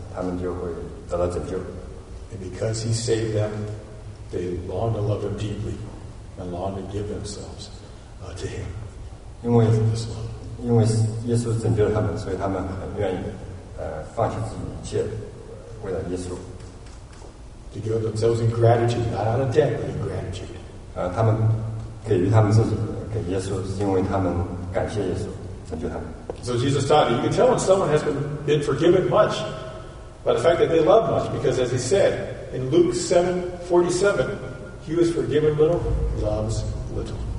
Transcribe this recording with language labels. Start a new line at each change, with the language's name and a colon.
Chinese: 但是当他们相信耶稣，接受耶稣在十字架上为他们死，他们就会得到拯救。
English: And because he saved them, they long to love him deeply and long to give themselves to him.
Chinese: 因为耶稣拯救了他们，所以他们很愿意放弃自己一切，为了耶稣。
English: To give themselves in gratitude, not out of debt, but in gratitude.
Chinese: 他们给予他们自己，给耶稣，是因为他们感谢耶稣拯救他们。
English: So Jesus taught that you can tell when someone has been forgiven much by the fact that they love much, because as he said in Luke 7:47, he was forgiven little, loves little.